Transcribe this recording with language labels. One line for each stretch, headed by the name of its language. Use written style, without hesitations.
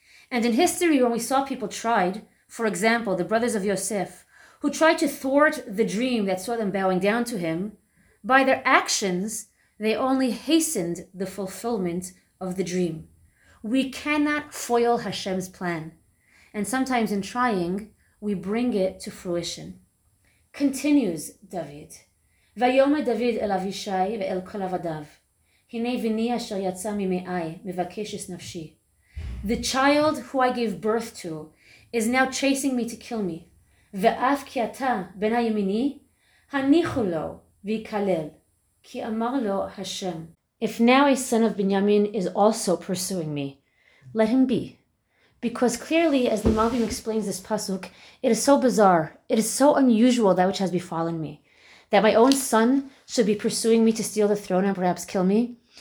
English: And in history, when we saw people tried, for example, the brothers of Yosef, who tried to thwart the dream that saw them bowing down to him, by their actions, they only hastened the fulfillment of the dream. We cannot foil Hashem's plan. And sometimes in trying, we bring it to fruition. Continues David,
Hebrew: ויאמר דוד אל אבישי ואל כל עבדיו, הנה בני אשר יצא ממעי, מבקש את נפשי.
English: The child who I gave birth to is now chasing me to kill me.
Hebrew: ואף כי אתה בן הימיני, הניחו לו ויקלל, כי אמר לו השם.
English: If now a son of Binyamin is also pursuing me, let him be. Because clearly, as the Malbim explains this pasuk, it is so bizarre, it is so unusual that which has befallen me, that my own son should be pursuing me to steal the throne and perhaps kill me.